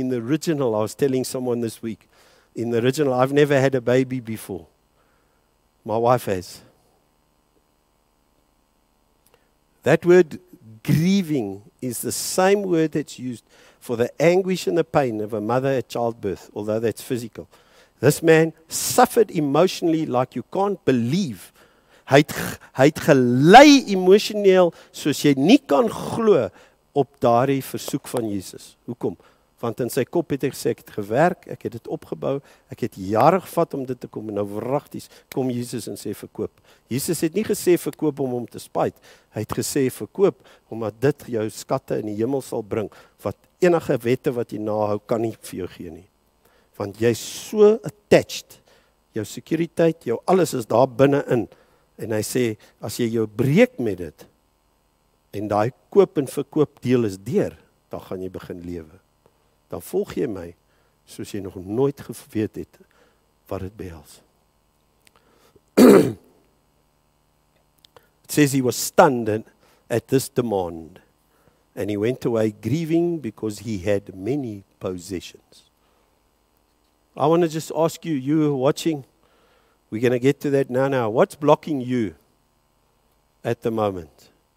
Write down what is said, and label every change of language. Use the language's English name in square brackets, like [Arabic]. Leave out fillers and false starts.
[English] In the original, I was telling someone this week, in the original, I've never had a baby before. My wife has. That word grieving is the same word that's used for the anguish and the pain of a mother at childbirth, although that's physical. This man suffered emotionally like you can't believe. [Afrikaans] Hy het gelei emosioneel soos jy nie kan glo op daardie versoek van Jesus. Hoekom? Want in sy kop het hy gesê, ek het gewerk, ek het dit opgebou, ek het jare gevat om dit te kom, en nou wragties kom Jesus en sê verkoop. Jesus het nie gesê verkoop om hom te spyt, hy het gesê verkoop omdat dit jou skatte in die hemel sal bring, wat enige wette wat jy nahou kan nie vir jou gee nie. Want jy is so attached, jou sekuriteit, jou alles is daar binnenin. En hy sê, as jy jou breek met dit, en die koop en verkoop deel is deur, dan gaan jy begin lewe. Dan volg jy my, soos jy nog nooit geweet het, wat het behels. [English] It says he was stunned at this demand, and he went away grieving because he had many possessions. I want to just ask you, you are watching, we're going to get to that now. What's blocking you at the moment?